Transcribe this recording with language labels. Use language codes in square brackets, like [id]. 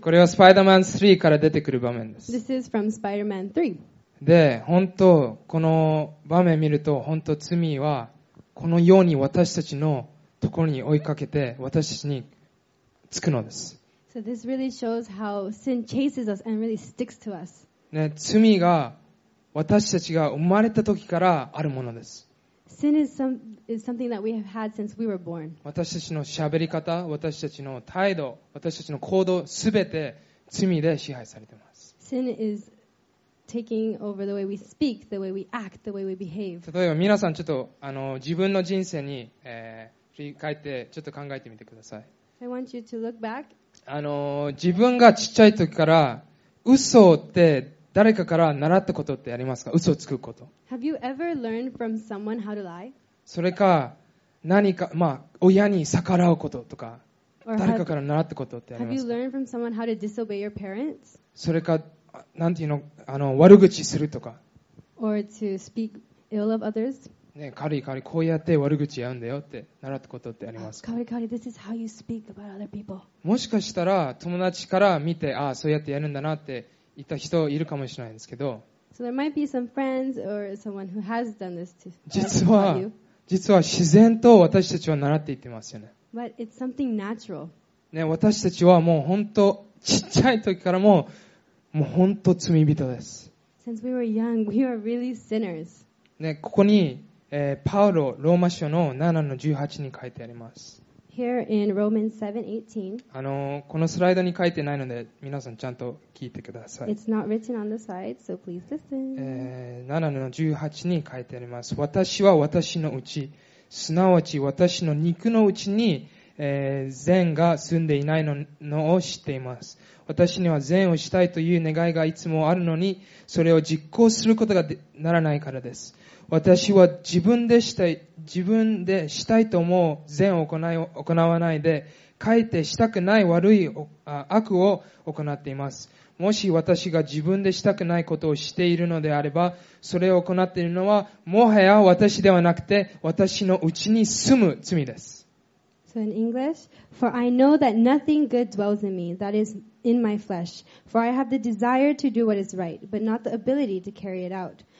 [ja] これはスパイダーマン3から出てくる場面です。 [en] This is from Spider-Man 3. [ja] で、本当この場面見ると本当罪はこのように私たちのところに追いかけて私たちにつくのです。 [en] So this really shows how sin chases us and really sticks to us. [ja] ね、罪が私たちが生まれた時からあるものです。 [en] Sin is something that we have had since we were born. [ja] 私たちの喋り方、私たちの態度、私たちの行動、すべて罪で支配されています。 [en] Sin is taking over the way we speak, the way we act, the way we behave. [ja] 例えば皆さんちょっと自分の人生に、振り返ってちょっと考えてみてください。 [en] I want you to look back. [ja] 自分がちっちゃい時から嘘って誰かから習ったことってありますか？嘘をつくこと。 [en] Have you ever learned from someone how to lie? [ja] それか何か、まあ親に逆らうこととか、誰かから習ったことってありますか？ [en] Have you learned from someone how to disobey your parents? [ja] それかなんていうの、悪口するとか。 [en] Or to speak ill of others. [ja] ね、軽い軽いこうやって悪口言うんだよって習ったことってありますか。軽い軽い [en] This is how you speak about other people. [ja] もしかしたら友達から見て、ああそうやってやるんだなって言った人いるかもしれないんですけど。 [en] So there might be some friends or someone who has done this to you. [ja] 実は自然と私たちは習っていってますよね。 [en] But it's something natural. [ja] ね、私たちはもう本当ちっちゃい時からもう本当罪人です。 [en] Since we were young, we were really sinners. [ja] ね、ここに、パウロローマ書の7の18に書いてあります。 [en] Here in Romans 7:18. [ja] このスライドに書いてないので皆さんちゃんと聞いてください。 [en] It's not written on the side, so please listen. [ja] 7の18に書いてあります。私は私のうち、すなわち私の肉のうちに、善が住んでいないのを知っています。私には善をしたいという願いがいつもあるのに、それを実行することがならないからです。私は自分でしたいと思う善を行わないで、かえってしたくない悪い悪を行っています。もし私が自分でしたくないことをしているのであれば、それを行っているのは、もはや私ではなくて、私のうちに住む罪です。 [en] So in English, for I know that nothing good dwells in me, that is in my flesh. For I have the desire to do what is right, but not the ability to carry it out.